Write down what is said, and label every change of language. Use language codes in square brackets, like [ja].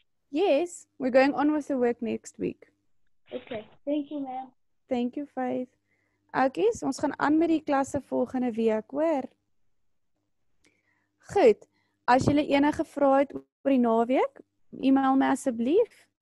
[en] Yes, we're going on with the work next week. Okay, thank you, ma'am. Thank you, Faith. [af] Okay, so ons gaan aan met die klasse volgende week, hoor. Goed, as jy enige vrae het oor die naweek, e-mail my asseblief.